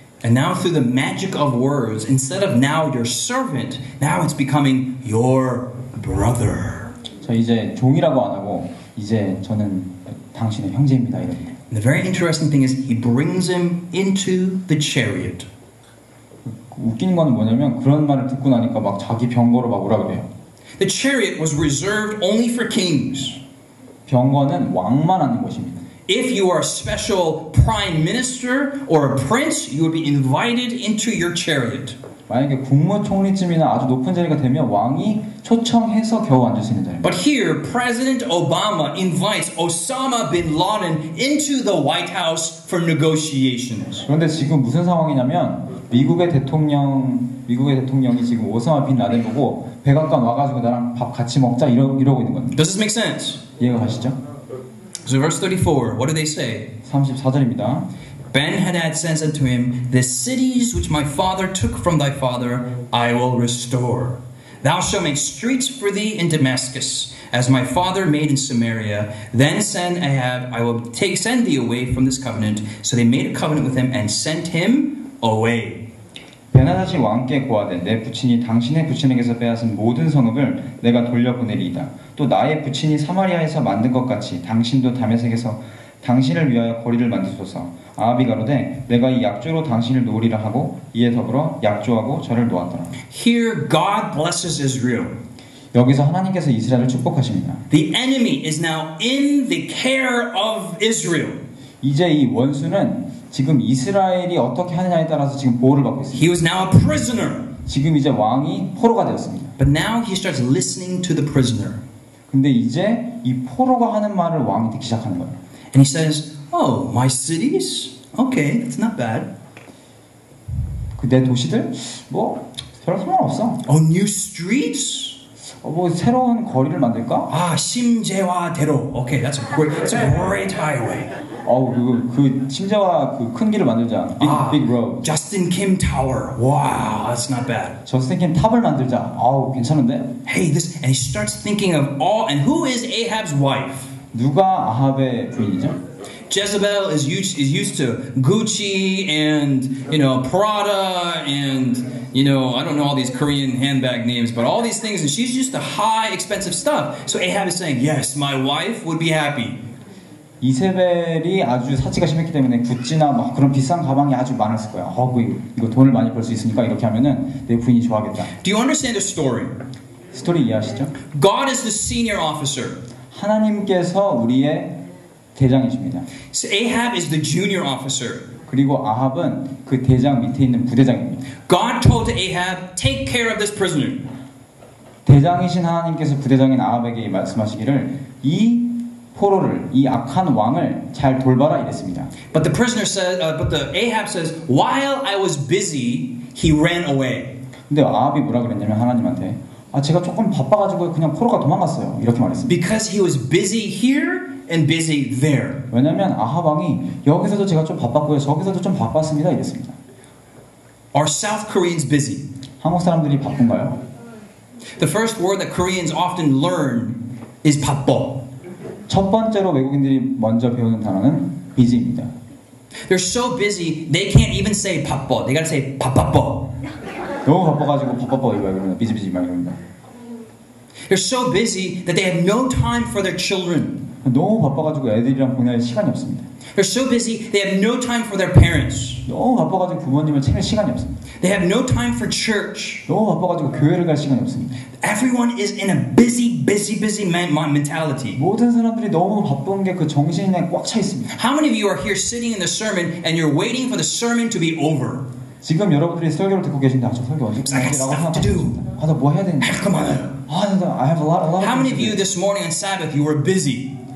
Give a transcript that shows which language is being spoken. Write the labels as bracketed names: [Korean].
[English] And now through the magic of words, instead of now your servant, now it's becoming your brother. [Korean] 저 이제 종이라고 안 하고 이제 저는 당신의 형제입니다. 이렇게. [English] And the very interesting thing is he brings him into the chariot. [Korean] 웃긴 건 뭐냐면 그런 말을 듣고 나니까 막 자기 병거로 막 오라 그래요. [English] The chariot was reserved only for kings. [Korean] 병거는 왕만 하는 곳입니다. [English] If you are a special prime minister or a prince, you would be invited into your chariot. [Korean] 만약에 국무총리쯤이나 아주 높은 자리가 되면 왕이 초청해서 겨우 앉을 수 있는 자리입니다. [English] But here President Obama invites Osama bin Laden into the White House for negotiations. [Korean] 그런데 지금 무슨 상황이냐면 미국의 대통령이 지금 오사마 빈 라덴 보고 백악관 와가지고 나랑 밥 같이 먹자 이러고 있는 겁니다. [English] Does this make sense? [Korean] 이해가 가시죠? [English] So verse 34, what do they say? [Korean] 34절입니다. [English] Ben-Hadad says unto him, the cities which my father took from thy father, I will restore. Thou shalt make streets for thee in Damascus, as my father made in Samaria. Then send Ahab, I will send thee away from this covenant. So they made a covenant with him and sent him away. [Korean] 베나닷이 왕께 고하되 내 부친이 당신의 부친에게서 빼앗은 모든 성읍을 내가 돌려보내리이다. 또 나의 부친이 사마리아에서 만든 것 같이 당신도 다메섹에서 당신을 위하여 거리를 만드소서. 아합이 가로되 내가 이 약조로 당신을 놓으리라 하고 이에 더불어 약조하고 저를 놓았더라. [English] Here God blesses Israel. [Korean] 여기서 하나님께서 이스라엘을 축복하십니다. [English] The enemy is now in the care of Israel. [Korean] 이제 이 원수는 지금 이스라엘이 어떻게 하느냐에 따라서 지금 보호를 받고 있습니다. [English] He was now a prisoner. [Korean] 지금 이제 왕이 포로가 되었습니다. [English] But now he starts listening to the prisoner. [Korean] 근데 이제 이 포로가 하는 말을 왕이 듣기 시작하는 거예요. [English] And he says, "Oh, my cities? Okay, that's not bad." [Korean] 그 내 도시들? 뭐 별로 상관없어. [English] Oh, new streets? [Korean] 뭐 새로운 거리를 만들까? 아, 심재와 대로. [English] Okay, that's a great, that's a great highway. [Korean] 어, 그 심재와 그 큰 길을 만들자. [English] Big, [Korean] 아, [English] big road. Justin Kim Tower. Wow, that's not bad. [Korean] 저스틴 킴 탑을 만들자. 아우, 괜찮은데? [English] Hey, this and he starts thinking of all and who is Ahab's wife? [Korean] 누가 아합의 부인이죠? [English] Jezebel is used to Gucci and, you know, Prada and, you know, I don't know all these Korean handbag names, but all these things, and she's used to high expensive stuff. So Ahab is saying, yes, my wife would be happy. [Korean] 이세벨이 아주 사치가 심했기 때문에 구찌나 뭐 그런 비싼 가방이 아주 많았을 거야. 허구, 이거 돈을 많이 벌 수 있으니까 이렇게 하면은 내 부인이 좋아하겠다. [English] Do you understand the story? [Korean] 스토리 이해하시죠? [English] God is the senior officer. [Korean] 하나님께서 우리의 대장이십니다. [English] So Ahab is the junior officer. [Korean] 그리고 아합은 그 대장 밑에 있는 부대장입니다. [English] God told Ahab, take care of this prisoner. [Korean] 대장이신 하나님께서 부대장인 아합에게 말씀하시기를 이 포로를 이 악한 왕을 잘 돌봐라 이랬습니다. [English] But the prisoner said, but the Ahab says, while I was busy, he ran away. [Korean] 근데 아합이 뭐라 그랬냐면 하나님한테 아 제가 조금 바빠가지고 그냥 포로가 도망갔어요 이렇게 말했습니다. [English] Because he was busy here. And busy there. [Korean] 왜냐하면 아합 왕이 여기서도 제가 좀 바빴고요, 저기서도 좀 바빴습니다. 이랬습니다. [English] Are South Koreans busy? [Korean] 한국 사람들이 바쁜가요? [English] The first word that Koreans often learn is 바빠. [Korean] 첫 번째로 외국인들이 먼저 배우는 단어는 busy입니다. [English] They're so busy they can't even say [Korean] 바빠. [English] They gotta say [Korean] 바빠빠. 너무 바빠가지고 바빠빠 이거야 그러면 [English] busy busy [Korean] 말 이러면. [English] They're so busy that they have no time for their children. [Korean] 너무 바빠가지고 애들이랑 보낼 시간이 없습니다. [English] They're so busy, they have no time for their parents. [Korean] 너무 바빠가지고 부모님을 챙길 시간이 없습니다. [English] They have no time for church. [Korean] 너무 바빠가지고 교회를 갈 시간이 없습니다. [English] Everyone is in a busy, busy, busy mentality. [Korean] 모든 사람들이 너무 바쁜 게 그 정신에 꽉 차 있습니다. [English] How many of you are here sitting in the sermon and you're waiting for the sermon to be over? [Korean] 지금 여러분들이 설교를 듣고 계신데 아, 저 설교 언제 끝나라고 아, 나 뭐 해야 되는데? 아, [English] come on. [Korean] 아, 나, [English] I have a lot. How many of you this morning on Sabbath you were busy?